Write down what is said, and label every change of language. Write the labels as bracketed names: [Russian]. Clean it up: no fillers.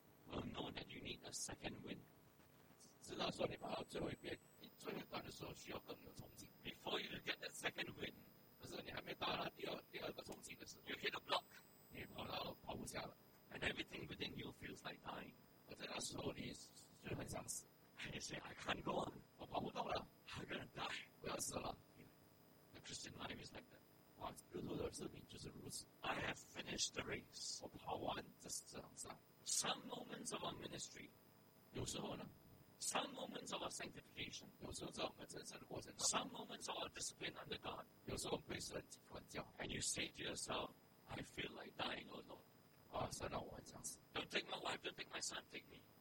[English] will know that you need a second wind. [Chinese] 知道说你跑到最后一遍最后一段的时候需要更有冲劲。 [English] Before you get that second wind, [Chinese] 可是你还没到第二个冲劲的时候 [English] you hit a block. [Chinese] 你跑到跑不下了 [English] and everything within you feels like dying. [Chinese] 而在那时候你就很想死 [English] and you say, I can't go on. [Chinese] 我跑不动了 [English] I'm gonna die. [Chinese] 我要死了 [English] Christian life is like that. [Chinese] 哇，基督徒的生命就是如此。 [English] I have finished the race. [Chinese] 我跑完这场赛。 [English] Some moments of our ministry, [Chinese] 有时候呢。 [English] Some moments of our sanctification, [Chinese] 有时候在我们成圣的过程。 [English] Some moments of our discipline under God, [Chinese] 有时候被神管教。 [English] And you say to yourself, I feel like dying, O Lord. [Chinese] 啊，神啊，我很想死。 [English] Don't take my wife, don't take my son, take me.